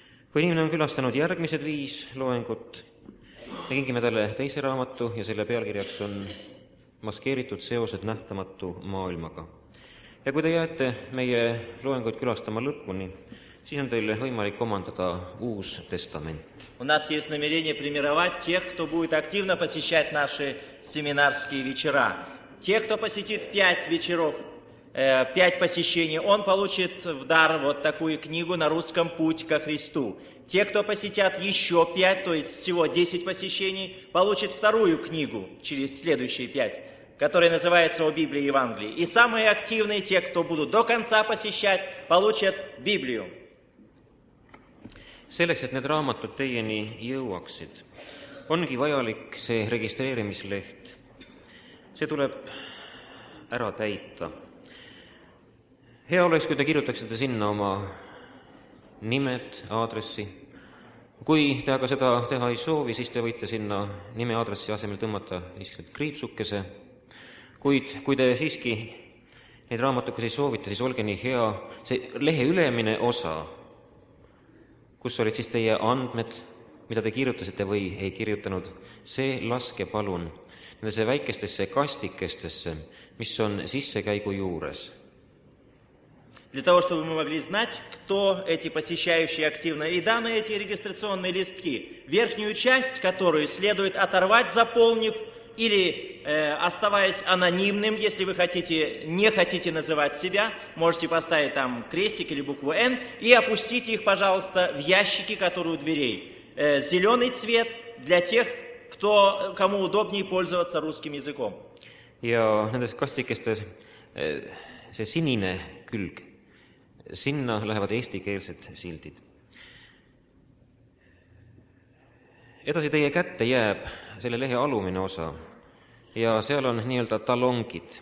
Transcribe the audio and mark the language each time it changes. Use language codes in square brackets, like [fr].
[et] Kui inimene on külastanud järgmised 5 loengut, me kingime talle teise raamatu ja selle pealkirjaks on maskeeritud seosed nähtamatu maailmaga. Ja kui te jääte meie loengut külastama lõpuni, siis on teil võimalik komandada uus testament. [ru] У нас есть намерение премировать тех, кто будет активно посещать наши семинарские вечера. Те, кто посетит 5 посещений, он получит в дар вот такую книгу на русском «Путь ко Христу». Те, кто посетят еще 5, то есть всего 10 посещений, получат вторую книгу через следующие 5, которая называется «О Библии и Евангелии». И самые активные, те, кто будут до конца посещать, получат Библию. [et] Selleks, et need raamatud teieni jõuaksid, ongi vajalik see registreerimisleht. See tuleb ära täita. Hea oleks, kui te kirjutaksite sinna oma nimed, aadressi. Kui te aga seda teha ei soovi, siis te võite sinna nime aadressi asemel tõmmata lihtsalt kriipsukese. Kuid kui te siiski need raamatukesi soovite, siis olge nii hea. See lehe ülemine osa, kus olid siis teie andmed, mida te kirjutasite või ei kirjutanud, see laske palun nendesse väikestesse kastikestesse, mis on sissekäigu juures. [ru] Для того, чтобы мы могли знать, кто эти посещающие активно, и данные эти регистрационные листки, верхнюю часть, которую следует оторвать, заполнив или оставаясь анонимным, если вы хотите, не хотите называть себя, можете поставить там крестик или букву N и опустите их, пожалуйста, в ящики, которые у дверей. Зеленый цвет для тех, кто, кому удобнее пользоваться русским языком. [et] Ja nendes kastikestes see sinine külg, sinna lähevad eestikeelsed sildid. Edasi teie kätte jääb selle lehe alumine osa ja seal on nii-öelda talongid.